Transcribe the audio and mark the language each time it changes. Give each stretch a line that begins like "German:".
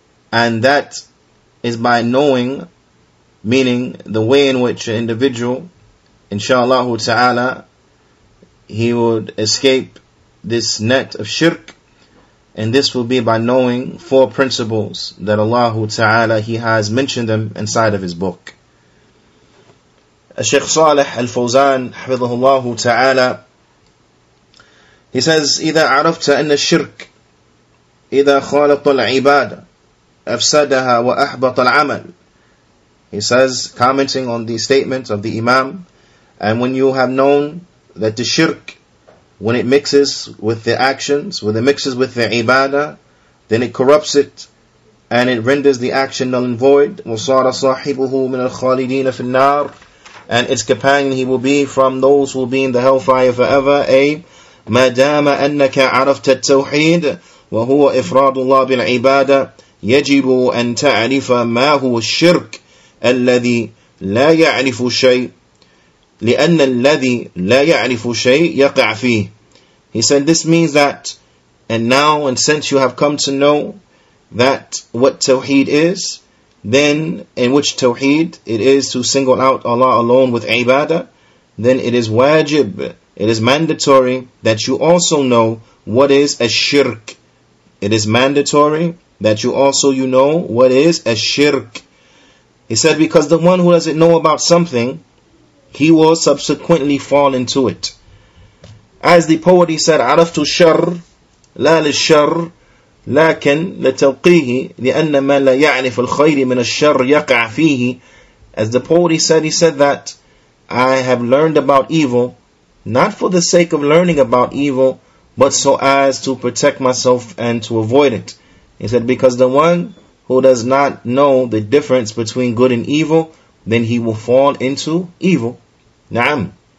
English: And that is by knowing, meaning the way in which an individual, inshallah Ta'ala, he would escape this net of shirk. And this will be by knowing four principles that Allah Ta'ala, He has mentioned them inside of His book. Shaykh Saleh Al-Fawzan, hafidhahullah Ta'ala, he says,
Arabic: إِذَا عَرَفْتَ أَنَّ الشِّرْكَ إِذَا خَالَطَ الْعِبَادَ أَفْسَدَهَا وَأَحْبَطَ الْعَمَلِ.
English: He says, commenting on the statement of the Imam, and when you have known that the shirk, when it mixes with the actions, when it mixes with the ibadah, then it corrupts it, and it renders the action null and void.
Arabic: وَصَارَ صَاحِبُهُ مِنَ الْخَالِدِينَ فِي النَّارِ.
English: And its companion he will be from those who will be in the hellfire forever. A.
Arabic: مَا دَامَ أَنَّكَ عَرَفْتَ التَّوْحِيدَ وَهُوَ إِفْرَادُ اللَّهِ بِالْعِبَادَةِ يَجِبُ أَن تَعْرِفَ مَا هُوَ الشِّرْكُ الَّذِي لَا يَعْرِفُ شَيْءٌ لأن الذي لا يعرف شيء يقع فيه.
English: He said, this means that, and now and since you have come to know that what Tawheed is, then in which Tawheed it is to single out Allah alone with ibadah, then it is wajib, it is mandatory that you also know what is a shirk. It is mandatory that you also you know what is a shirk. He said, because the one who doesn't know about something, he will subsequently fall into it. As the poet, he said,
Arabic: عَرَفْتُ الشَّرَّ لَا لِلشَّرَّ لَكَنْ لَتَوْقِيهِ لِأَنَّ مَا لَا يَعْنِفُ الْخَيْرِ مِنَ الشَّرَّ يَقْعَ فِيهِ.
English: As the poet, he said that, I have learned about evil, not for the sake of learning about evil, but so as to protect myself and to avoid it. He said, because the one who does not know the difference between good and evil, then he will fall into evil. Na'am.